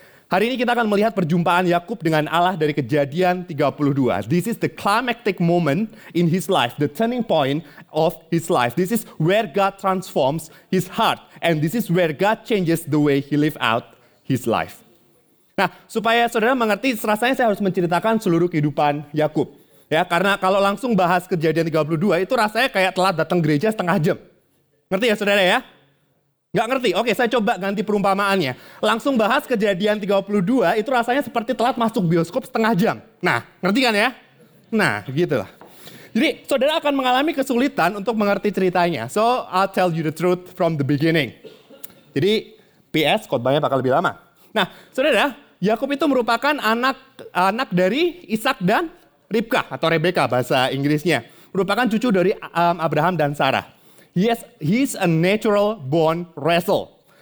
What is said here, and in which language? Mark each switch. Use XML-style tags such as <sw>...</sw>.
<id>Hari ini kita akan melihat perjumpaan Yakub dengan Allah dari Kejadian 32.</id> <en>This is the climactic moment in his life, the turning point of his life. This is where God transforms his heart, and this is where God changes the way he live out his life.</en> <id>Nah, supaya saudara mengerti, rasanya saya harus menceritakan seluruh kehidupan Yakub. Ya, karena kalau langsung bahas Kejadian 32, itu rasanya kayak telat datang gereja setengah jam. Ngerti ya saudara ya? Nggak ngerti? Oke, saya coba ganti perumpamaannya. Langsung bahas Kejadian 32, itu rasanya seperti telat masuk bioskop setengah jam. Nah, ngerti kan ya? Nah, gitulah. Jadi, saudara akan mengalami kesulitan untuk mengerti ceritanya.</id> <en>So, I'll tell you the truth from the beginning.</en> <id>Jadi, PS, khotbahnya bakal lebih lama. Nah, saudara, Yakub itu merupakan anak dari Ishak dan Ribka atau Rebecca bahasa Inggrisnya. Merupakan cucu dari Abraham dan Sarah.</id> <en>He is a natural born wrestle.</en>